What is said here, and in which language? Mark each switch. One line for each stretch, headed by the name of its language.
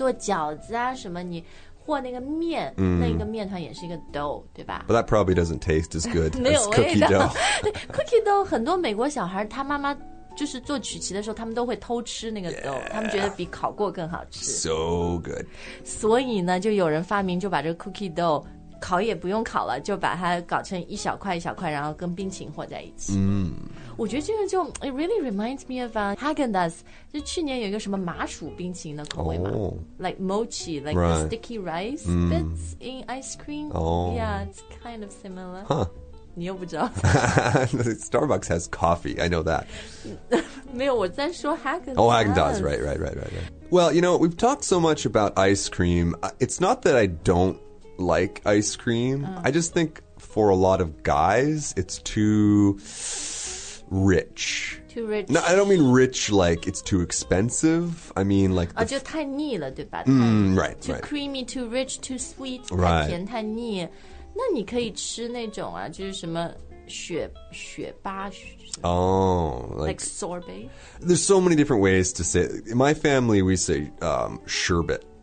Chinese: 烤之前它那个软软的，像我们中国做饺子啊什么，你。和那个面，那一个面团也是一个dough，对吧？
English: But that probably doesn't taste as good as cookie dough.
Chinese: cookie dough 很多美国小孩，他妈妈就是做曲奇的时候，他们都会偷吃那个dough， 他们觉得比烤过更好吃。
English: So good.
Chinese: 所以呢，就有人发明就把这个cookie dough 烤也不用烤了，就把它搞成一小块一小块，然后跟冰淇淋和在一起。嗯，我觉得这个就
English: it really reminds me of
Chinese: Haagen-Dazs， 就去年有一个什么麻薯冰淇淋的口味嘛、
English: oh. Like mochi, like、 right. the sticky rice、mm. bits in ice cream. Oh, yeah, it's kind of similar. Huh.
Chinese: 你又不知道
English: Starbucks has coffee, I know that.
Chinese: 没有我在说 Haagen-Dazs.
English: Oh, Haagen-Dazs, right. Well, you know, we've talked so much about ice cream. It's not that I don't like ice cream.、I just think for a lot of guys, it's too rich. Too rich. No, I don't mean rich like it's too expensive. I mean like...
Chinese: 啊、就太腻了对吧、
English: right, too right. creamy, too rich, too sweet,、 right.
Chinese: 太甜太腻。那你可以吃那种啊，就是什么雪巴
English: 哦、like sorbet. There's so many different ways to say it. In my family, we say sherbet